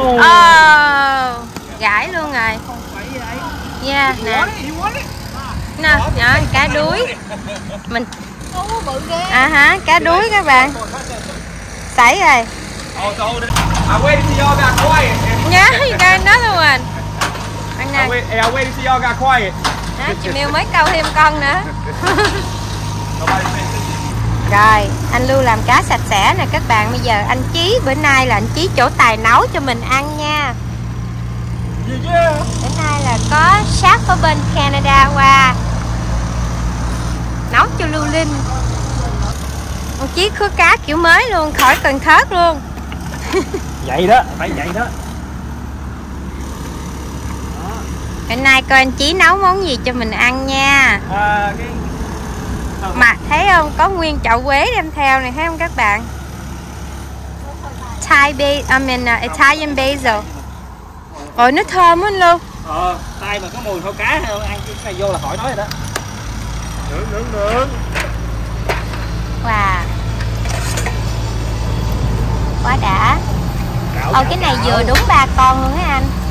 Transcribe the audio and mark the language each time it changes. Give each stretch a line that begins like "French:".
Vietnamese: Oh, gãi luôn rồi. Yeah, nè.
English: No,
Vietnamese: nhỏ cá đuối. Mình. Bự ghê. À hả, cá đuối các bạn. Sảy rồi.
English: I waited till y'all got quiet. Yeah, you got another one.
Vietnamese: Anh này.
English: I waited till y'all got quiet.
Vietnamese: Hả, chị Miu mới câu thêm con nữa. Rồi, anh Lưu làm cá sạch sẽ nè các bạn. Bây giờ anh Chí, bữa nay là anh Chí chỗ tài nấu cho mình ăn nha.
English: Yeah.
Vietnamese: Bữa nay là có chef ở bên Canada qua. Nấu tốt cho Lưu Linh. Một chiếc khứa cá kiểu mới luôn, khỏi cần thớt luôn. Vậy đó, phải vậy đó. Hôm nay coi anh Chí nấu món gì cho mình ăn nha. Mà thấy không, có nguyên chậu quế đem theo này, thấy không các bạn?
English: Thai basil, Italian basil.
Vietnamese: Ôi nó thơm hết luôn. Tay mà có mùi thôi cá hay không? Ăn cái này vô là khỏi nói rồi đó. Nướng. Wow, quá đã. Ồ cái này vừa đúng ba con luôn á anh.